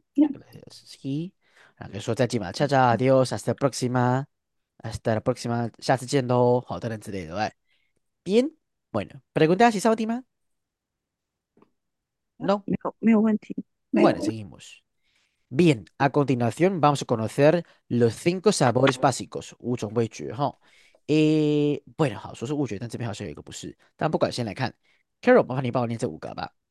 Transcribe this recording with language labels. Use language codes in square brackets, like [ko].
[es] Gracias. Sí. Que eso te ha dicho. Chao, chao. Adiós. Hasta la próxima. Hasta la próxima, [zh] 下次见喽，好的之类的喂。 [es] Bien, bueno, ¿preguntas si sabes más? No. [zh] 没有问题，没有 [es] Bueno, [zh] 问题。 [es] seguimos. Bien, a continuación vamos a conocer los cinco sabores básicos. Ucho, wei ju, ¿no? Bueno, eso es ucho, pero también hay algo que no es. Pero no importa, vamos a ver. Carol, por favor, léeme estos cinco, ¿va?